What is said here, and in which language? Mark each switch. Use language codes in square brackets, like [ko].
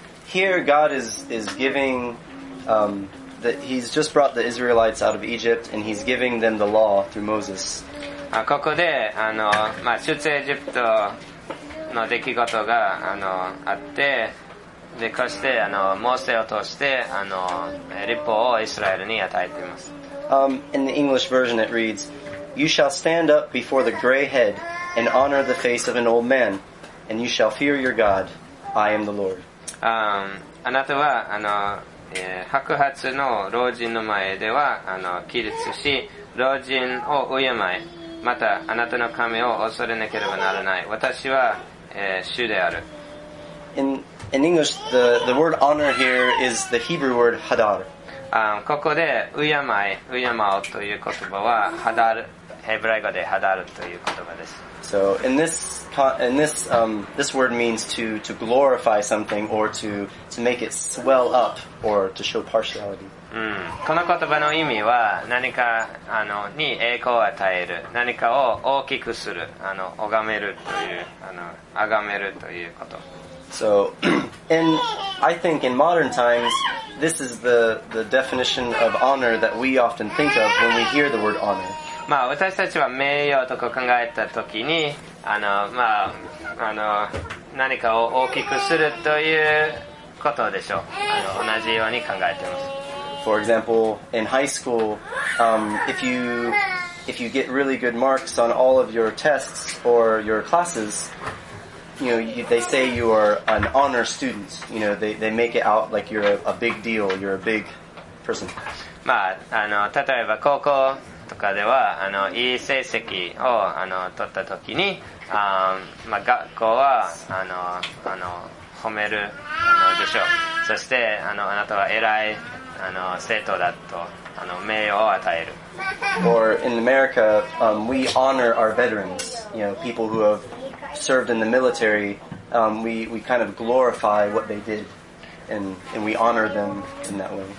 [en] Here God is giving, he's just brought the Israelites out of Egypt and he's giving them the law through Moses. [ja] ここで、あの、まあ、出エジプトの出来事が、あの、あって、で、こうして、あの、モーセを通して、あの、律法をイスラエルに与えています。 [en] In the English version it reads, You shall stand up before the gray head and honor the face of an old man, and you shall fear your God. I am the Lord. [ja] あなたは、あの、白髪の老人の前では、あの、起立し、老人を敬え、また、あなたの神を恐れなければならない。私は、主である。 [en] In English, the word honor here is the Hebrew word hadar. [ja] ここで、敬うという言葉は、hadar、ヘブライ語で hadar という言葉です。 [en] So, this word means to glorify something or to make it swell up or to show partiality. [ja] この言葉の意味は、何か、あの、に栄光を与える、何かを大きくする、あの、拝めるという、あの、崇めるということ。 So, and I think in modern times, this is the definition of honor that we often think of when we hear the word honor. まあ、私たちは名誉とか考えたときに、あの、まあ、あの、何かを大きくするということでしょう。あの、同じように考えています。 [en] For example, in high school, if you get really good marks on all of your tests or your classes,You know, they say you are an honor student. You know, they make it out like you're a big deal. You're a big person. [ja] まあ、あの、例えば高校とかでは、あの、いい成績を、あの、取ったときに、まあ、学校は、あの、褒める、あの、でしょう。そして、あの、あなたは偉い、あの、生徒だと、あの、名誉を与える。 [en] Or in America, we honor our veterans. You know, people who haveserved in the military, we kind of glorify what they did and we honor them in that way.